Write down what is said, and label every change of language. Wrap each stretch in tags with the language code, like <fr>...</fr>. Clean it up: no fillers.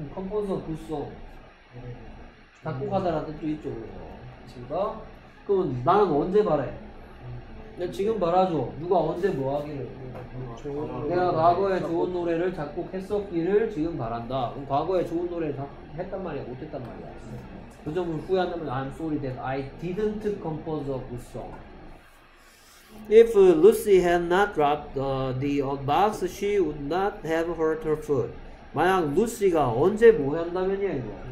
<en>컴포즈 굿송</en> <ko>작곡하다라는 뜻도 있죠. 그렇습니까? 그럼 나는 언제 바래? 내가 지금 바라줘. 누가 언제 뭐 하기를? 내가 과거에 좋은 노래를 작곡했었기를 지금 바란다. 그럼 과거에 좋은 노래를 했단 말이야? 못했단 말이야? 그 점을 후회한다면</ko> <en>I'm sorry that I didn't compose a good song. If Lucy had not dropped the old box, she would not have hurt her foot.</en> <ko>만약 루시가 언제 뭐 한다면이야 이거?</ko>